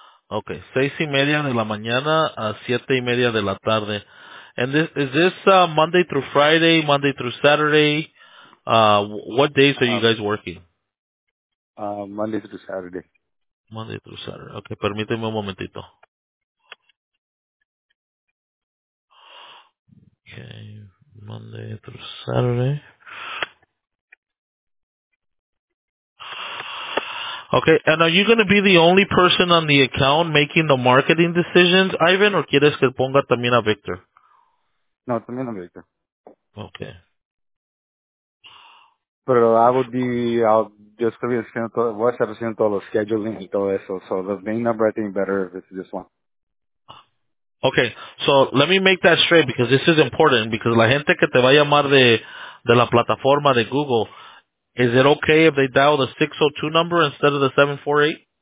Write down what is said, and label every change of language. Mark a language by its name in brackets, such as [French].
[Spanish] Okay, 6:30 de la mañana a 7:30 de la tarde. [English] And is this Monday through Friday, Monday through Saturday? What days are you guys working? Monday through Saturday. Monday through Saturday. Okay, [Spanish] permíteme un momentito. [English] Okay, Monday through Saturday. Okay, and are you going to be the only person on the account making the marketing decisions, Ivan, or [Spanish] quieres que ponga también a Victor? No, también a Victor. [English] Okay. [Spanish] Pero yo estoy haciendo todo, voy a estar haciendo todos los scheduling y todo eso. [English] So the main number, I think, better if it's just one. Okay, so let me make that straight because this is important. Because [Spanish] la gente que te va a llamar de la plataforma de Google, [English] is it okay if they dial the 602 number instead of the 748?